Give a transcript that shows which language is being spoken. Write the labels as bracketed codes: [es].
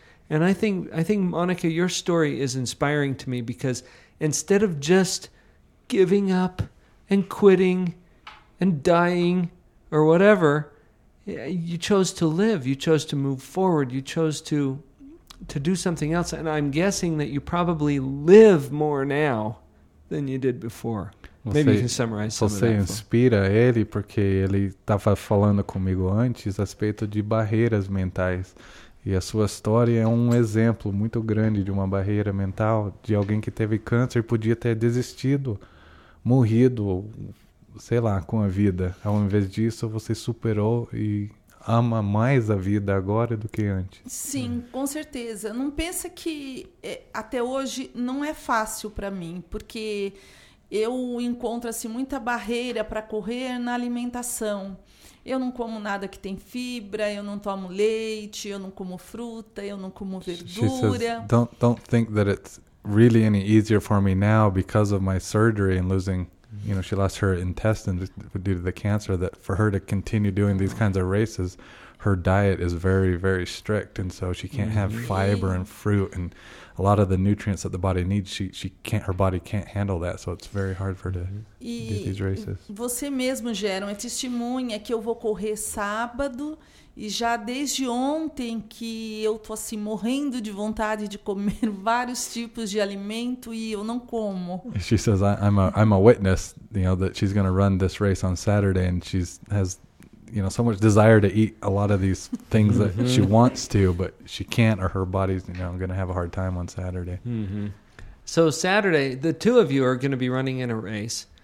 [en] And I think, Monica, your story is inspiring to me, because instead of just giving up and quitting and dying or whatever, you chose to live. You chose to move forward. You chose to to do something else. And I'm guessing that you probably live more now than you did before. Maybe you can summarize some of that. [pt] Você inspira ele porque ele estava falando comigo antes a respeito de barreiras mentais. E a sua história é um exemplo muito grande de uma barreira mental de alguém que teve câncer e podia ter desistido, morrido, sei lá, com a vida. Ao invés disso, você superou e ama mais a vida agora do que antes. Sim, com certeza. Não pensa que até hoje não é fácil para mim, porque eu encontro assim, muita barreira para correr na alimentação. Eu não como nada que tem fibra, eu não tomo leite, eu não como fruta, eu não como verdura. [en] She says, don't think that it's really any easier for me now because of my surgery and losing, you know, she lost her intestines due to the cancer, that for her to continue doing these kinds of races, her diet is very, very strict, and so she can't have fiber and fruit and a lot of the nutrients that the body needs, she can't, her body can't handle that, so it's very hard for her to [pt] e [en] do these races. [pt] Você mesmo, Geron, é testemunha que eu vou correr sábado, e já desde ontem que eu tô assim morrendo de vontade de comer vários tipos de alimento e eu não como. [en] She says, I'm a witness, you know, that she's going to run this race on Saturday, and she has, you know, so much desire to eat a lot of these things that she wants to, but she can't, or her body's, you know, going to have a hard time on Saturday. So Saturday, the two of you are going to be running in a race.